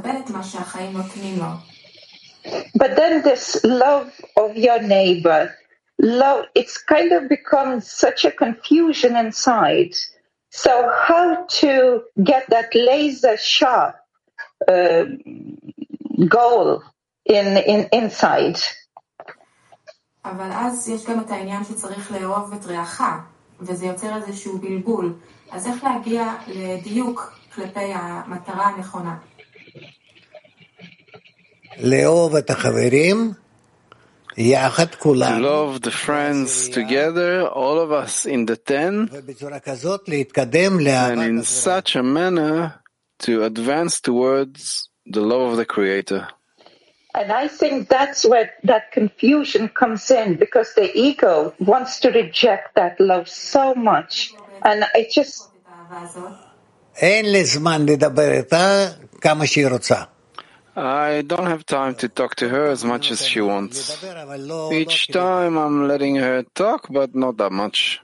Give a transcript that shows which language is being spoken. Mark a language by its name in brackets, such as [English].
[English] But then this love of your neighbor, love, it's kind of become such a confusion inside. So how to get that laser sharp goal in inside? [Hebrew] אבל אז יש גם את העניין שצריך לאהוב את רעך, וזה יוצר איזשהו בלבול. אז איך להגיע לדיוק כלפי המטרה הנכונה? לאהוב את החברים, יחד כולם. [English] To love the friends together, all of us in the ten. [Hebrew] ובצורה כזאת להתקדם לאהבת החברים. [English] And in such a manner to advance towards the love of the Creator. And I think that's where that confusion comes in, because the ego wants to reject that love so much. And I just... [Hebrew] אין לי זמן לדבר איתה כמה שהיא רוצה. [English] I don't have time to talk to her as much as she wants. Each time I'm letting her talk, but not that much.